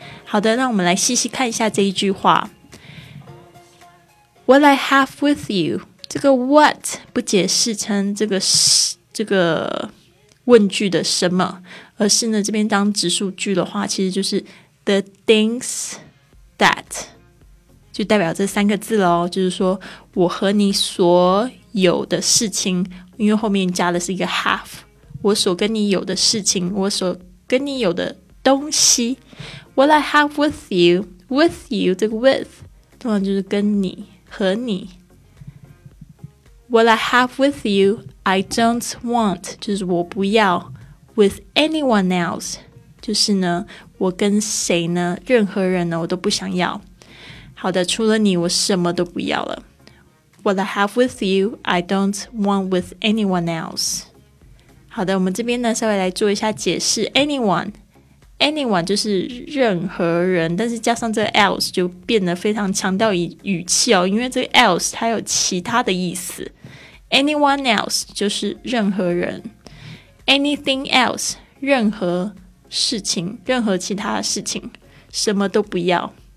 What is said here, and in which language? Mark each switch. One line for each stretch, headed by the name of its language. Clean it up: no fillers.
Chinese: 好的，让我们来细细看一下这一句话。
English: What I have with you，
Chinese: 这个 what 不解释成这个问句的什么，而是呢这边当指数句的话，其实就是
English: the things that，
Chinese: 就代表这三个字咯，就是说我和你所有的事情，因为后面加的是一个 have， 我所跟你有的事情，我所跟你有的东西。
English: What I have with you， with you
Chinese: 这个 with 通常就是跟你和你。
English: What I have with you， I don't want
Chinese: 就是我不要。
English: With anyone else
Chinese: 就是呢我跟谁呢，任何人呢我都不想要。好的，除了你我什么都不要了。
English: What I have with you, I don't want with anyone else.
Chinese: 好的，我们这边呢稍微来做一下解释。Anyone 就是任何人，但是加上这个 else 就变得非常强调语气哦，因为这个 else 它有其他的意思。
English: Anyone else
Chinese: 就是任何人。
English: Anything else
Chinese: 任何事情，任何其他的事情，什么都不要。